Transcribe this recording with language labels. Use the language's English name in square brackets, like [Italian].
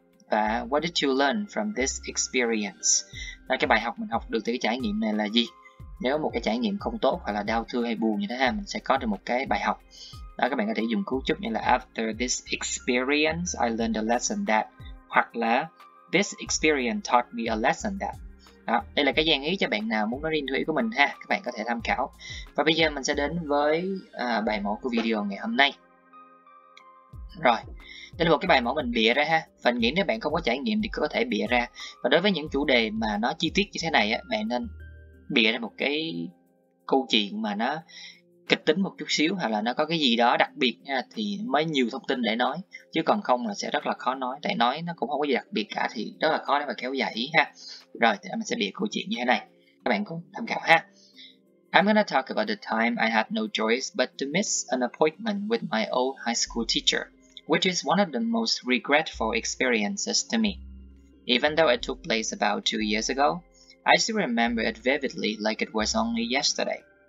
[Vietnamese] Và [English] what did you learn from this experience? [Vietnamese] Là cái bài học mình học được từ cái trải nghiệm này là gì? Nếu một cái trải nghiệm không tốt hoặc là đau thương hay buồn như thế ha, mình sẽ có được một cái bài học. Đó, các bạn có thể dùng cấu trúc như là [English] after this experience I learned a lesson that, [Vietnamese] hoặc là [English] this experience taught me a lesson that. [Vietnamese] Đó, đây là cái dạng ý cho bạn nào muốn nói riêng thủy của mình ha, các bạn có thể tham khảo. Và bây giờ mình sẽ đến với bài mẫu của video ngày hôm nay. Rồi, đây là một cái bài mẫu mình bịa ra ha. Phần nghĩ nếu bạn không có trải nghiệm thì có thể bịa ra. Và đối với những chủ đề mà nó chi tiết như thế này á, bạn nên bịa ra một cái câu chuyện mà nó kịch tính một chút xíu, hoặc là nó có cái gì đó đặc biệt nha, thì mới nhiều thông tin để nói. Chứ còn không là sẽ rất là khó nói, tại nói nó cũng không có gì đặc biệt cả thì rất là khó để mà kéo dài ý ha. Rồi, thì mình sẽ bịa câu chuyện như thế này, các bạn cũng tham khảo ha. [English] I'm gonna talk about the time I had no choice but to miss an appointment with my old high school teacher, which is one of the most regretful experiences to me. Even though it took place about 2 years ago, I still remember it vividly like it was only yesterday.